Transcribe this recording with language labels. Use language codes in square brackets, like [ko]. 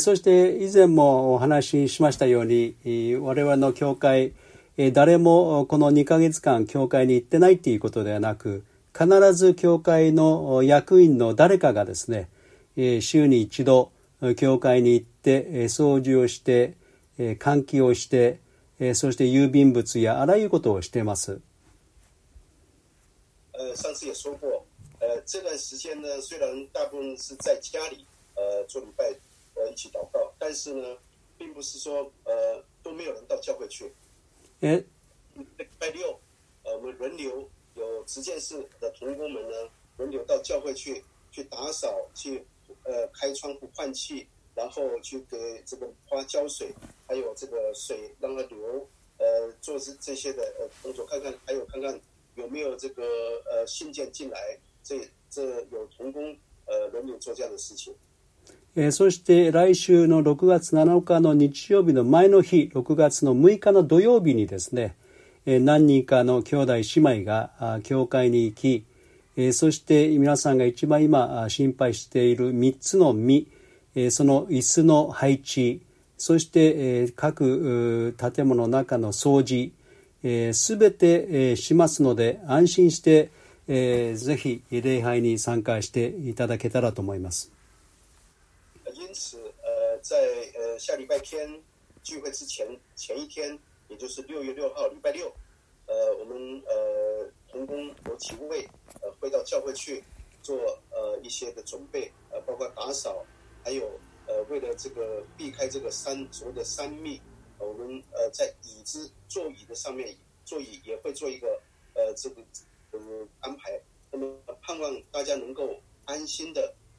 [ja] そして以前もお話ししましたように我々の教会誰もこの2ヶ月間教会に行ってないっていうことではなく、必ず教会の役員の誰かがですね、週に一度教会に行って掃除をして換気をして、そして郵便物やあらゆることをしています。 [zh] 上次也说过这段时间呢虽然大部分是在家里做礼拜一起祷告，但是呢并不是说都没有人到教会去。礼拜六我们轮流有执事室的同工们呢轮流到教会去去打扫去开窗户换气然后去给这个花浇水还有这个水让它流做这些的工作看看还有看看有没有这个信件进来这有同工轮流做这样的事情。 [ja] そして来週の6月7日の日曜日の前の日、6月の6日の土曜日にですね、何人かの兄弟姉妹が教会に行き、そして皆さんが一番今心配している3つの身、その椅子の配置、そして各建物の中の掃除、すべてしますので安心してぜひ礼拝に参加していただけたらと思います。 [zh] 因此在下礼拜天聚会之前前一天也就是6月6号礼拜六我们同工有几位会到教会去做一些的准备包括打扫还有为了这个避开这个山所谓的山密我们在椅子座椅的上面座椅也会做一个这个安排那么盼望大家能够安心的